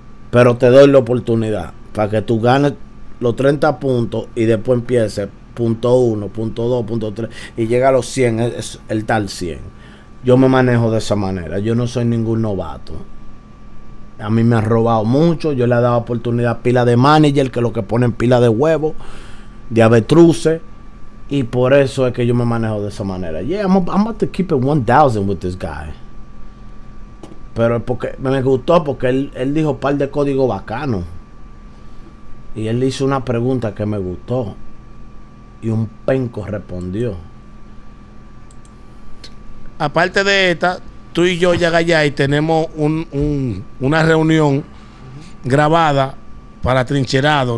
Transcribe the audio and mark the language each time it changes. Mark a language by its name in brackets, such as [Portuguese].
[Spanish] Pero te doy la oportunidad para que tú ganes los 30 puntos y después empieces punto 1, punto 2, punto 3 y llega a los 100, es el tal 100. Yo me manejo de esa manera, yo no soy ningún novato. A mí me han robado mucho, yo le he dado oportunidad a pila de manager, que lo que ponen pila de huevo, de avestruces, y por eso es que yo me manejo de esa manera. [English] Yeah, I'm about to keep it 1000 with this guy. [Spanish] Pero porque me gustó, porque él dijo un par de códigos bacanos. Y él hizo una pregunta que me gustó. Y un penco respondió. Aparte de esta, tú y yo, Yagayay, tenemos una reunión grabada para Trincherado.